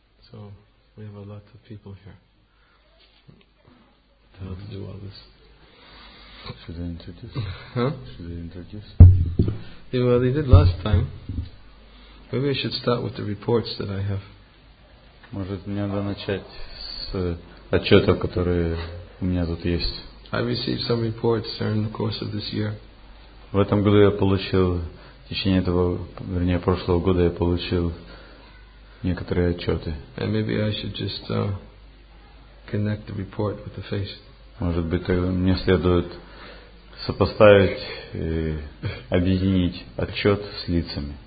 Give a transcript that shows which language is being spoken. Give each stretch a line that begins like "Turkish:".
English: So we have a lot of people here to help do all this. Should I introduce? Yeah, well, they did last time. Maybe I should start with the reports that I have.
Russian: Может, мне надо начать с отчетов, которые у меня тут есть.
English: I received some reports during the course of this year.
Russian: В этом году я получил, в течение этого, вернее, прошлого года я получил некоторые отчеты.
English: And maybe I should just connect the report with the face.
Russian: Может быть, мне следует сопоставить, объединить отчет с лицами.